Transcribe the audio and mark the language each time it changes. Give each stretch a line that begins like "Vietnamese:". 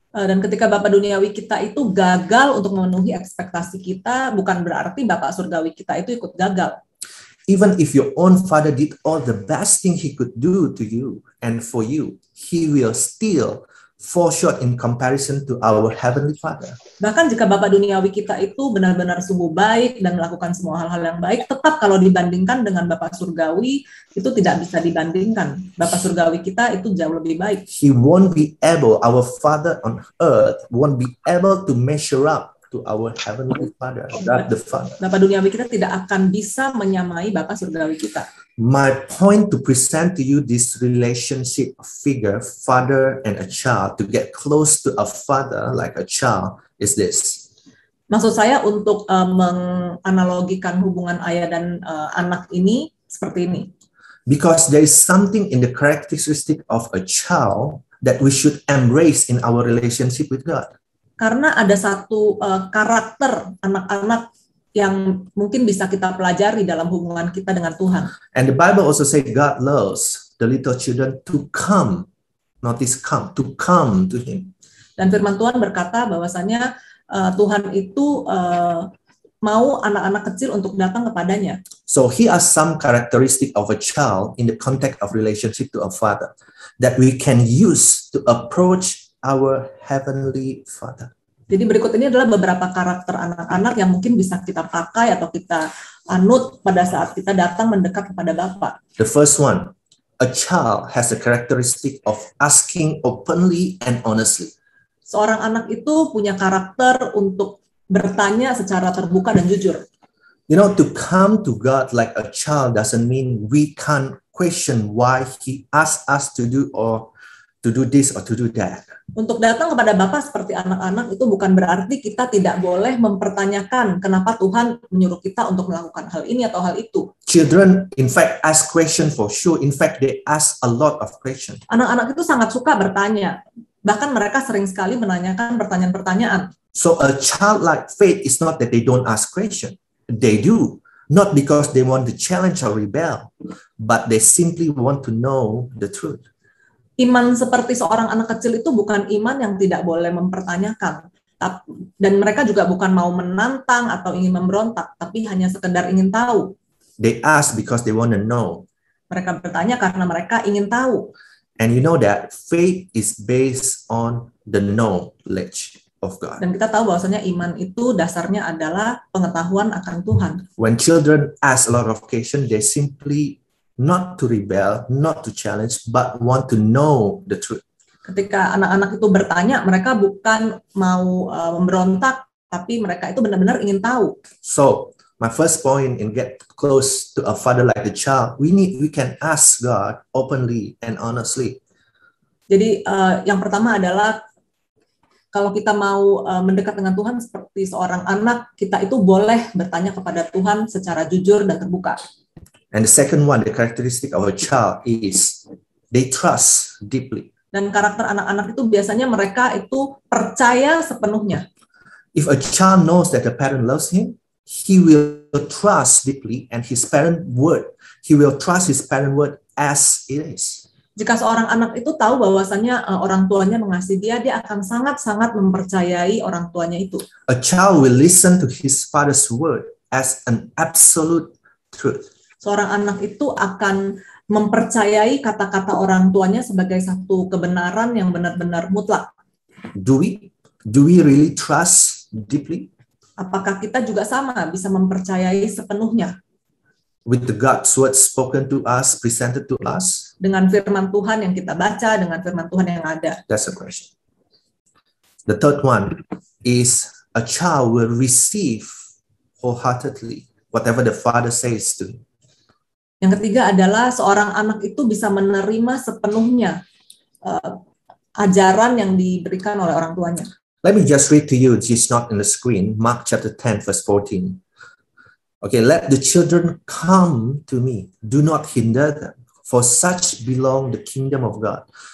Indonesian: Dan ketika bapak duniawi kita itu gagal untuk memenuhi ekspektasi kita, bukan berarti bapak surgawi kita itu ikut gagal.
English: Even if your own father did all the best thing he could do to you and for you, he will still fall short in comparison to our heavenly father.
Indonesian: Bahkan jika bapak duniawi kita itu benar-benar sungguh baik dan melakukan semua hal-hal yang baik, tetap kalau dibandingkan dengan bapak surgawi, itu tidak bisa dibandingkan. Bapak surgawi kita itu jauh lebih baik.
English: He won't be able, our father on earth won't be able to measure up to our heavenly father, God the Father.
Indonesian: Bapak duniawi kita tidak akan bisa menyamai bapak surgawi kita.
English: My point to present to you this relationship figure, father and a child, to get close to a father like a child, is this.
Indonesian: Maksud saya untuk menganalogikan hubungan ayah dan anak ini seperti ini.
English: Because there is something in the characteristic of a child that we should embrace in our relationship with God.
Indonesian: Karena ada satu karakter anak-anak yang mungkin bisa kita pelajari dalam hubungan kita dengan Tuhan.
English: And the Bible also says God loves the little children to come, notice come, to come to Him.
Indonesian: Dan firman Tuhan berkata bahwasannya Tuhan itu mau anak-anak kecil untuk datang kepadanya.
English: So he has some characteristic of a child in the context of relationship to a father that we can use to approach our heavenly father.
Indonesian: Jadi berikut ini adalah beberapa karakter anak-anak yang mungkin bisa kita pakai atau kita anut pada saat kita datang mendekat kepada Bapa.
English: The first one, a child has a characteristic of asking openly and honestly.
Indonesian: Seorang anak itu punya karakter untuk bertanya secara terbuka dan jujur.
English: You know, to come to God like a child doesn't mean we can't question why He asks us to do or to do this or to do that.
Indonesian: Untuk datang kepada Bapa seperti anak-anak itu bukan berarti kita tidak boleh mempertanyakan kenapa Tuhan menyuruh kita untuk melakukan hal ini atau hal itu.
English: Children, in fact, ask question for sure. In fact, they ask a lot of question.
Indonesian: Anak-anak itu sangat suka bertanya. Bahkan mereka sering sekali menanyakan pertanyaan-pertanyaan.
English: So a childlike faith is not that they don't ask question. They do. Not because they want to challenge or rebel, but they simply want to know the truth.
Indonesian: Iman seperti seorang anak kecil itu bukan iman yang tidak boleh mempertanyakan. Dan mereka juga bukan mau menantang atau ingin memberontak, tapi hanya sekedar ingin tahu.
English: They ask because they want to know.
Indonesian: Mereka bertanya karena mereka ingin tahu.
English: And you know that faith is based on the knowledge of God.
Indonesian: Dan kita tahu bahwasanya iman itu dasarnya adalah pengetahuan akan Tuhan.
English: When children ask a lot of questions, they simply not to rebel, not to challenge, but want to know the truth.
Indonesian: Ketika anak-anak itu bertanya, mereka bukan mau memberontak, tapi mereka itu benar-benar ingin tahu.
English: So, my first point in get close to a father like the child, we can ask God openly and honestly.
Indonesian: Jadi, yang pertama adalah kalau kita mau mendekat dengan Tuhan seperti seorang anak, kita itu boleh bertanya kepada Tuhan secara jujur dan terbuka.
English: And the second one, the characteristic of a child is they trust deeply.
Indonesian: Dan karakter anak-anak itu biasanya mereka itu percaya sepenuhnya.
English: If a child knows that the parent loves him, he will trust deeply and his parent word. He will trust his parent word as it is.
Indonesian: Jika seorang anak itu tahu bahwasannya orang tuanya mengasihi dia, dia akan sangat-sangat mempercayai orang tuanya itu.
English: A child will listen to his father's word as an absolute truth.
Indonesian: Seorang anak itu akan mempercayai kata-kata orang tuanya sebagai satu kebenaran yang benar-benar mutlak.
English: Do we really trust deeply?
Indonesian: Apakah kita juga sama bisa mempercayai sepenuhnya?
English: With the God's word spoken to us, presented to us.
Indonesian: Dengan firman Tuhan yang kita baca, dengan firman Tuhan yang ada.
English: That's a question. The third one is a child will receive wholeheartedly whatever the father says to him.
Indonesian: Yang ketiga adalah seorang anak itu bisa menerima sepenuhnya ajaran yang diberikan oleh orang tuanya.
English: Let me just read to you, it's not in the screen, Mark chapter 10 verse 14. Okay, let the children come to me, do not hinder them, for such belong the kingdom of God.